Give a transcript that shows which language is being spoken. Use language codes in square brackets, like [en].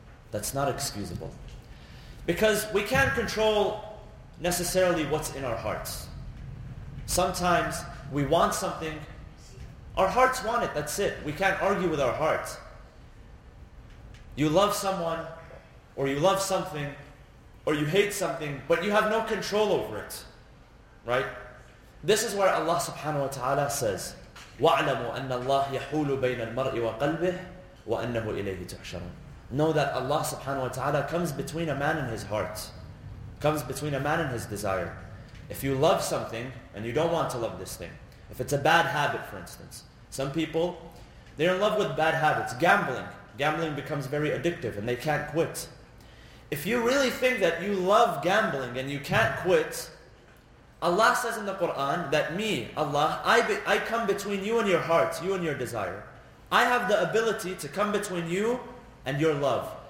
[en] That's not excusable. Because we can't control necessarily what's in our hearts. Sometimes we want something, our hearts want it, that's it. We can't argue with our hearts. You love someone, or you love something, or you hate something, but you have no control over it. Right? This is where Allah subhanahu wa ta'ala says, [ar] وَعْلَمُوا أَنَّ اللَّهِ يَحُولُ بَيْنَ الْمَرْءِ وَقَلْبِهِ وَأَنَّهُ إِلَيْهِ تُحْشَرُونَ. [en] Know that Allah subhanahu wa ta'ala comes between a man and his heart, comes between a man and his desire. If you love something, and you don't want to love this thing, if it's a bad habit, for instance, some people, they're in love with bad habits, gambling. Gambling becomes very addictive, and they can't quit. If you really think that you love gambling and you can't quit, Allah says in the Quran that me, Allah, I come between you and your heart, you and your desire. I have the ability to come between you and your love.